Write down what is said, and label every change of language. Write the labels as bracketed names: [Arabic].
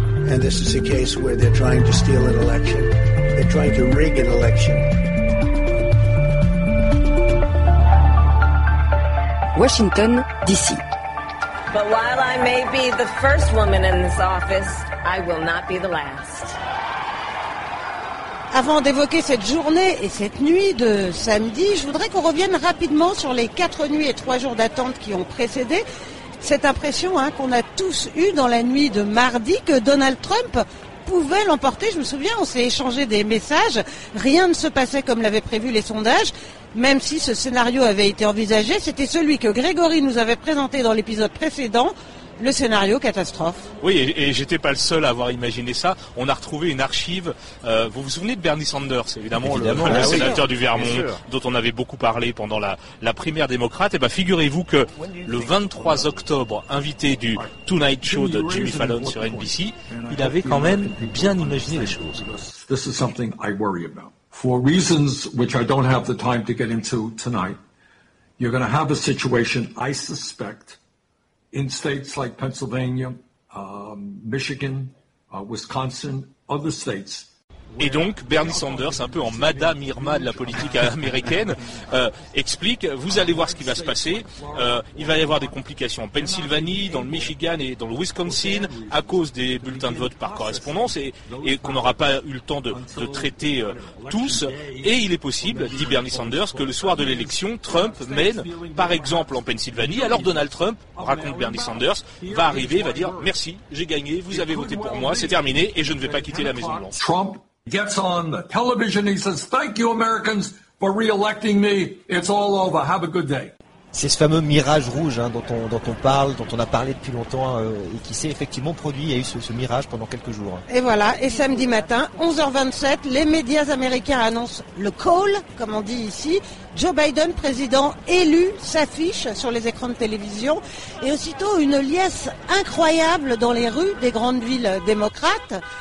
[English] And this is a case where they're trying to steal an election. They're trying to rig an election. Washington, D.C. But while I may be the first woman in this office, I will not be the last. [French] Avant d'évoquer cette journée et cette nuit de samedi, je voudrais qu'on revienne rapidement sur les 4 nuits et 3 jours d'attente qui ont précédé. Cette impression hein, qu'on a tous eue dans la nuit de mardi que Donald Trump pouvait l'emporter. Je me souviens, on s'est échangé des messages. Rien ne se passait comme l'avaient prévu les sondages. Même si ce scénario avait été envisagé, c'était celui que Grégory nous avait présenté dans l'épisode précédent. Le scénario catastrophe. Oui, et j'étais pas le seul à avoir imaginé ça. On a retrouvé une archive. Vous vous souvenez de Bernie Sanders, évidemment le sénateur du Vermont, dont on avait beaucoup parlé pendant la primaire démocrate. Et bien, figurez-vous que le 23 octobre, invité du Tonight Show de Jimmy Fallon sur NBC, il avait quand même bien imaginé les choses. [English] This is something I worry about. For reasons which I don't have the time to get into tonight, you're going to have a situation, I suspect, in states like Pennsylvania, Michigan, Wisconsin, other states. [French] Et donc, Bernie Sanders, un peu en Madame Irma de la politique américaine, explique, vous allez voir ce qui va se passer. Il va y avoir des complications en Pennsylvanie, dans le Michigan et dans le Wisconsin, à cause des bulletins de vote par correspondance, et qu'on n'aura pas eu le temps de traiter tous. Et il est possible, dit Bernie Sanders, que le soir de l'élection, Trump mène, par exemple en Pennsylvanie, alors Donald Trump, raconte Bernie Sanders, va arriver, va dire, merci, j'ai gagné, vous avez voté pour moi, c'est terminé, et je ne vais pas quitter la Maison Blanche. [English] Gets on the television, he says, thank you Americans for re-electing me, it's all over, have a good day. [French] C'est ce fameux mirage rouge hein, dont on parle, dont on a parlé depuis longtemps et qui s'est effectivement produit, il y a eu ce mirage pendant quelques jours. Et voilà, et samedi matin, 11h27, les médias américains annoncent le call, comme on dit ici. Joe Biden, président élu, s'affiche sur les écrans de télévision et aussitôt une liesse incroyable dans les rues des grandes villes démocrates.